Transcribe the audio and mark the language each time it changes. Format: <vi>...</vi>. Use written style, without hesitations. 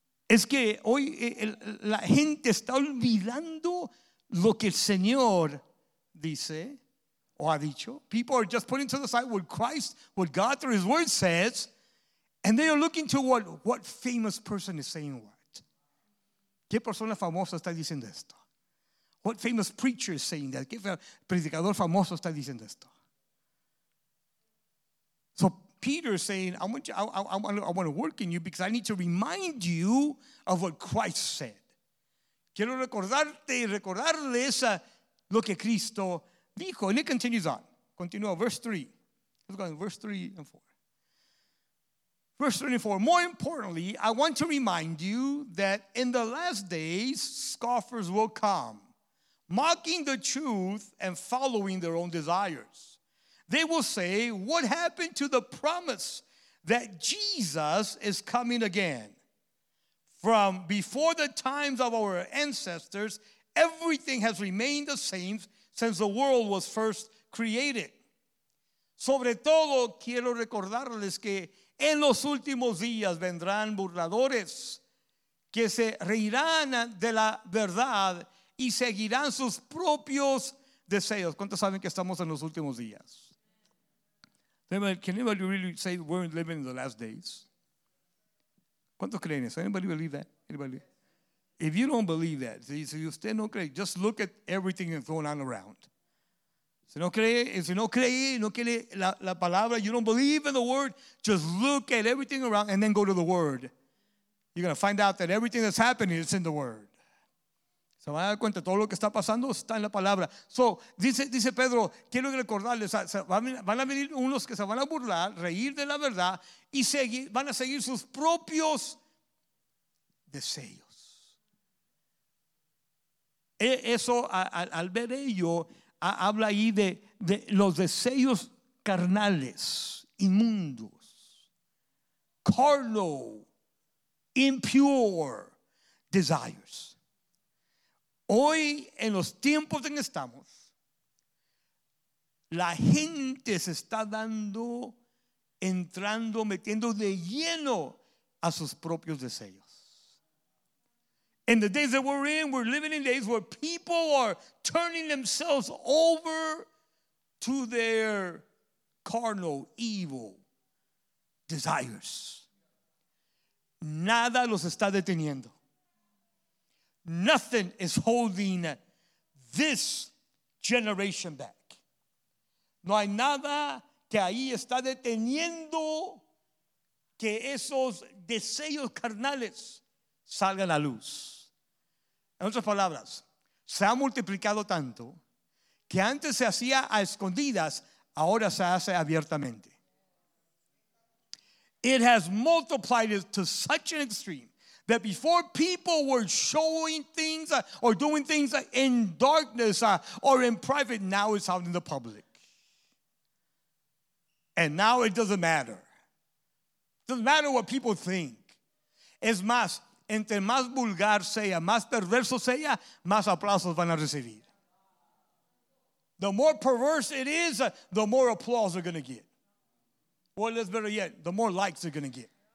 <es>Es que hoy la gente está olvidando lo que el Señor dice o ha dicho.</es> <en>People are just putting to the side what Christ, what God through his word says, and they are looking to what famous person is saying what.</en> <es>¿Qué persona famosa está diciendo esto?</es> <en>What famous preacher is saying that?</en> <es>¿Qué predicador famoso está diciendo esto?</es> <en>So Peter is saying, I want to work in you because I need to remind you of what Christ said.</en> <es>Quiero recordarte y recordarles lo que Cristo dijo.</es> <en>And it continues on.</en> <es>Continúa,</es> <en>verse 3. Let's go on, verse 3 and 4. Verse 3 and 4. More importantly, I want to remind you that in the last days, scoffers will come, mocking the truth and following their own desires. They will say, what happened to the promise that Jesus is coming again? From before the times of our ancestors, everything has remained the same since the world was first created.</en> <es>Sobre todo, quiero recordarles que en los últimos días vendrán burladores que se reirán de la verdad y seguirán sus propios deseos. ¿Cuántos saben que estamos en los últimos días?</es> <en>Can anybody really say we're living in the last days?</en> <es>¿Cuántos creen eso?</es> <en>Anybody believe that? Anybody? If you don't believe that,</en> <es>si usted no cree,</es> <en>just look at everything that's going on around.</en> <es>Si no cree la palabra,</es> <en>you don't believe in the word, just look at everything around and then go to the word. You're going to find out that everything that's happening is in the word.</en> <es>Se van a dar cuenta, todo lo que está pasando está en la palabra. So, dice Pedro, quiero recordarles, van a venir unos que se van a burlar, reír de la verdad, y van a seguir sus propios deseos. Eso, al ver ello, habla ahí de los deseos carnales, inmundos,</es> <en>carnal, impure desires.</en> <es>Hoy, en los tiempos en que estamos, la gente se está metiendo de lleno a sus propios deseos.</es> <en>In the days that we're in, we're living in days where people are turning themselves over to their carnal, evil desires.</en> <es>Nada los está deteniendo.</es> <en>Nothing is holding this generation back.</en> <es>No hay nada que ahí está deteniendo que esos deseos carnales salgan a luz. En otras palabras, se ha multiplicado tanto que antes se hacía a escondidas, ahora se hace abiertamente.</es> <en>It has multiplied it to such an extreme that before people were showing things or doing things in darkness or in private, now it's out in the public. And now it doesn't matter. It doesn't matter what people think.</en> <es>Es más, entre más vulgar sea, más perverso sea, más aplausos van a recibir.</es> <en>The more perverse it is, the more applause they're going to get. Well, that's better yet, the more likes they're going to get.</en>